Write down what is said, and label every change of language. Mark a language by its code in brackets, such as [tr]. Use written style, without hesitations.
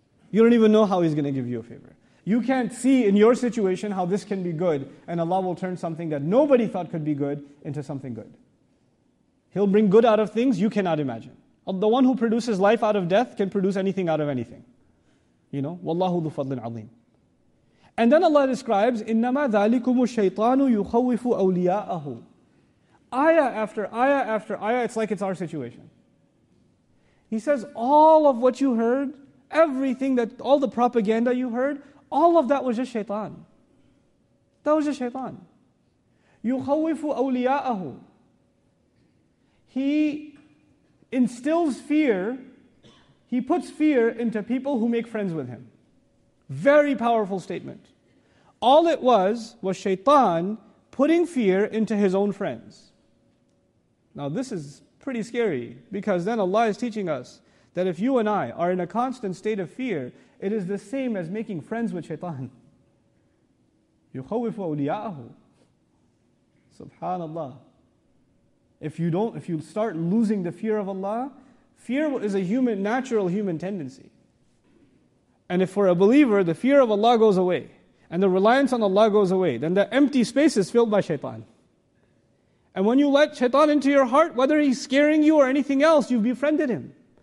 [en] You don't even know how He's going to give you a favor. You can't see in your situation how this can be good, and Allah will turn something that nobody thought could be good into something good. He'll bring good out of things you cannot imagine. The one who produces life out of death can produce anything out of anything. You know? [ar] وَاللَّهُ ذُو فَضْلٍ عَظِيمٍ. [en] And then Allah describes, [ar] إِنَّمَا ذَلِكُمُ الشَّيْطَانُ يُخَوِّفُ أَوْلِيَاءَهُ. [en] Ayah after ayah after ayah, it's like it's our situation. He says, all of what you heard, everything that, all the propaganda you heard, all of that was just shaitan. That was just shaitan. [ar] يُخَوِّفُ أَوْلِيَاءَهُ, [en] he instills fear, he puts fear into people who make friends with him. Very powerful statement. All it was shaitan putting fear into his own friends. Now this is pretty scary, because then Allah is teaching us that if you and I are in a constant state of fear, it is the same as making friends with shaitan. [ar] يُخَوِّفُ أَوْلِيَاهُ SubhanAllah. [en] If you start losing the fear of Allah, fear is a human, natural human tendency. And if for a believer, the fear of Allah goes away, and the reliance on Allah goes away, then the empty space is filled by shaitan. And when you let shaitan into your heart, whether he's scaring you or anything else, you've befriended him.